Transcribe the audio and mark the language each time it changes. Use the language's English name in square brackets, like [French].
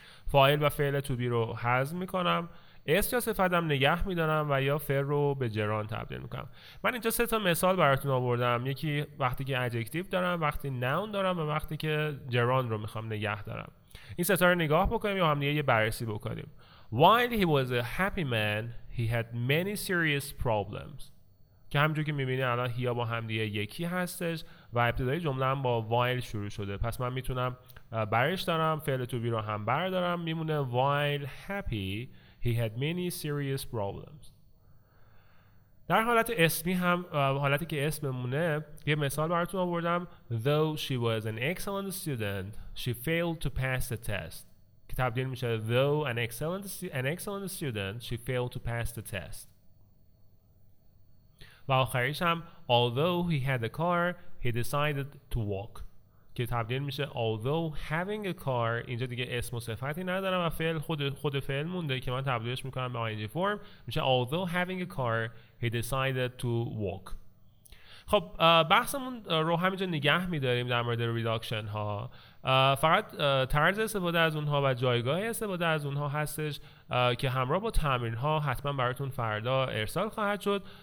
[Persian] فاعل و فعل تو بی رو حذف میکنم، اس یا صفتم نگه میدارم و یا فعل رو به جران تبدیل میکنم. من اینجا سه تا مثال براتون آوردم، یکی وقتی که ادجکتیو دارم، وقتی ناون دارم و وقتی که جران رو میخوام نگه دارم. این سه تا رو نگاه بکنیم یا هم دیگه یه بررسی بکنیم. [English] While he was a happy man, he had many serious problems. [Persian] که همجور که میبینی الان هیا با همدیگه یکی هستش و ابتدای جمله هم با while شروع شده. پس من میتونم برش دارم، فعل to be رو هم بردارم، میمونه [English] while happy, he had many serious problems. [Persian] در حالت اسمی هم، حالتی که اسم مونه، یه مثال براتون آوردم. [English] Though she was an excellent student, she failed to pass the test. [Persian] تبدیل میشه [English] though an excellent student she failed to pass the test. [Persian] و آخریش هم [English] although he had a car he decided to walk [Persian] که تبدیل میشه [English] although having a car. [Persian] اینجا دیگه اسم و صفتی ندارم و فعل خود فعل مونده که من تبدیلش میکنم به ing form، میشه [English] although having a car he decided to walk. [Persian] خب بحثمون رو همینجا نگه میداریم در مورد reduction ها. فقط طرز استفاده از اونها و جایگاه استفاده از اونها هستش که همراه با تمرین ها حتما براتون فردا ارسال خواهد شد.